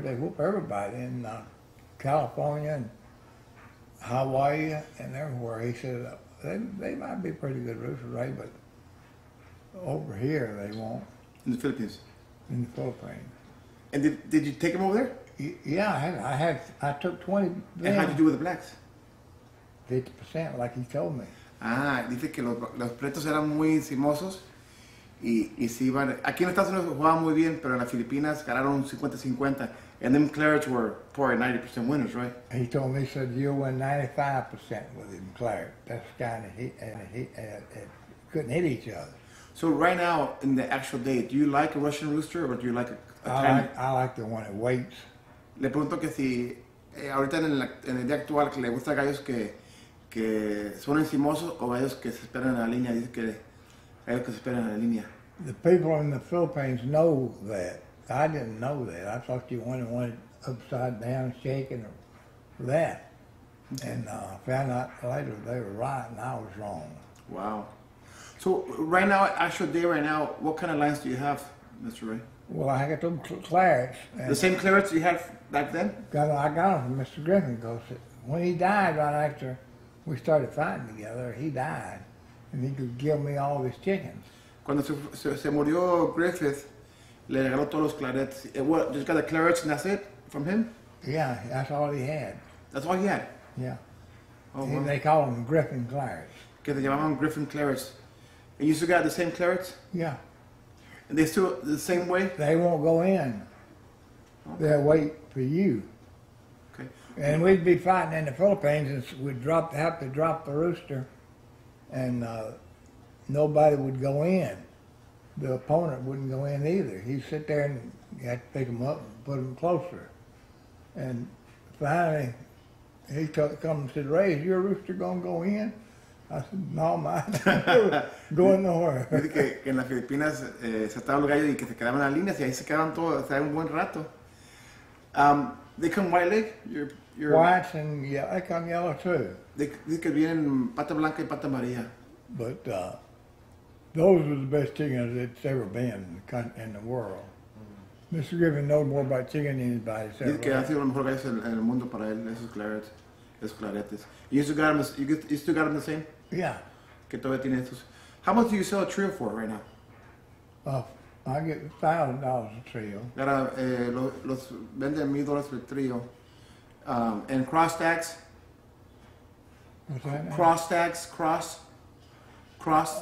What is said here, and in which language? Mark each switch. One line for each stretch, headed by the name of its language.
English: They whoop everybody in California and Hawaii and everywhere. He said, they might be pretty good roosters, Ray, but over here they won't. In the Philippines? In the Philippines. And did you take them over there? Yeah, I took 20. And how did you do with the blacks? 50%, like he told me.
Spanish: Ah, dice que los pretos eran muy encimosos. Y si iban, aquí en Estados Unidos jugaban muy bien, pero en las Filipinas ganaron 50-50.
English: And them clerics were poor 90% winners, right? He told me, he said, you'll win 95% with them clerics. That's kind of, he couldn't hit each other. So right now, in the actual day, do you like a Russian rooster or do you like I like the one that waits.
Spanish: Le pregunto que si ahorita en el día actual que le gusta gallos que son encimosos o gallos que se esperan en la línea, dice que...
English: The people in the Philippines know that. I didn't know that. I thought you went and went upside down, shaking or left. And I found out later they were right and I was wrong. Wow. So right now, actual day right now, what kind of lines do you have, Mr. Ray? Well, I got them clerics. The same clerics you had back then? I got them from Mr. Griffin because when he died right after we started fighting together, he died. And he could give me all his chickens.
Spanish: Cuando se murió Griffith, le regaló todos los clarets.
English: Just got the clarets and that's it from him? Yeah, that's all he had. That's all he had? Yeah. Oh, and they call them Griffin clarets.
Spanish: Que se llamaban Griffin clarets.
English: And you still got the same clarets? Yeah. And they still the same way? They won't go in. Okay. They'll wait for you. Okay. And we'd be fighting in the Philippines and we'd have to drop the rooster. And nobody would go in. The opponent wouldn't go in either. He'd sit there and you had to pick him up and put him closer. And finally, he come and said, Ray, is your rooster going to go in? I said, no, mine. Going nowhere.
Spanish: Dice que en las Filipinas se estaba el gallo y que se quedaban las líneas y ahí se quedaban todos, un buen rato.
English: They come white leg? White and yellow. They come yellow too. They could be in
Spanish: pata blanca y pata maria.
English: But those were the best chickens that's ever been in the world. Mr. Griffin knows more about chicken than anybody.
Spanish: Dice que ha sido lo mejor que hay en el mundo para él, esos clarets, esos claretes.
English: You still got them the same? Yeah.
Spanish: Que todavía tiene estos.
English: How much do you sell a trio for right now? I get $1,000 a trio.
Spanish: Mira, los venden $1,000 por trio.
English: And cross stacks? What's that? Cross stacks, cross stacks?